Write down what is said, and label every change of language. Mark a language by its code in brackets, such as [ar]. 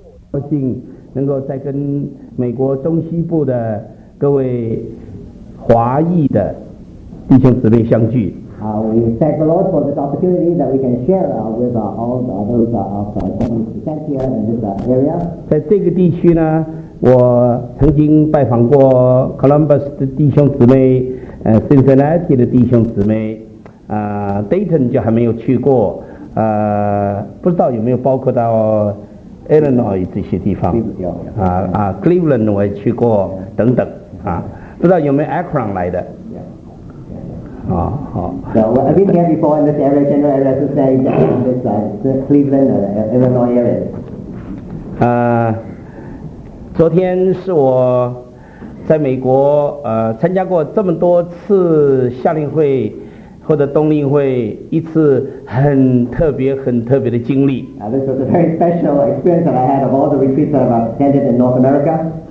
[zh] 高兴能够再跟美国中西部的各位华裔的弟兄姊妹相聚。 [en] We thank the Lord for this opportunity that we can share with all those of Chinese here in this area. [zh] 在这个地区呢，我曾经拜访过 Columbus 的弟兄姊妹，Cincinnati 的弟兄姊妹，Dayton 就还没有去过，不知道有没有包括到Illinois 这些地方啊 Cleveland 我也去过等等啊，不知道有没有 Akron 来的啊。好 [en] So I've been here before in this area, general area, to say that this Cleveland or Illinois area. [zh] 昨天是我在美国参加过这么多次夏令会或者冬令会，一次很特别、很特别的经历。 [en] This was a very special experience that I had of all the retreats that I've attended in North America.